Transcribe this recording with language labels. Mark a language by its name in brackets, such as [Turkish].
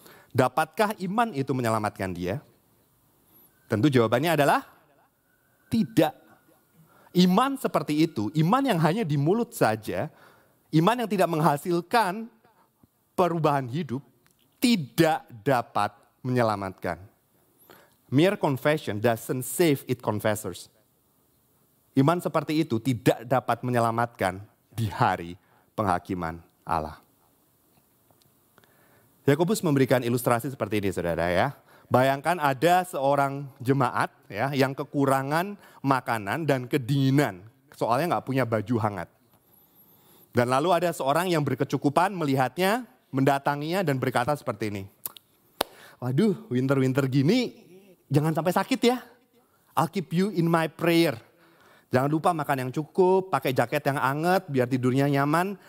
[Indonesian] Dapatkah iman itu menyelamatkan dia? Tentu jawabannya adalah tidak. Iman seperti itu, iman yang hanya di mulut saja, iman yang tidak menghasilkan perubahan hidup, tidak dapat menyelamatkan. [English] Mere confession doesn't save its confessors. [Indonesian] Iman seperti itu tidak dapat menyelamatkan di hari penghakiman Allah. Yakobus memberikan ilustrasi seperti ini, saudara ya. Bayangkan ada seorang jemaat ya yang kekurangan makanan dan kedinginan, soalnya nggak punya baju hangat. Dan lalu ada seorang yang berkecukupan melihatnya, mendatanginya dan berkata seperti ini. Waduh, winter-winter gini, jangan sampai sakit ya. [English] I'll keep you in my prayer. [Indonesian] Jangan lupa makan yang cukup, pakai jaket yang anget biar tidurnya nyaman.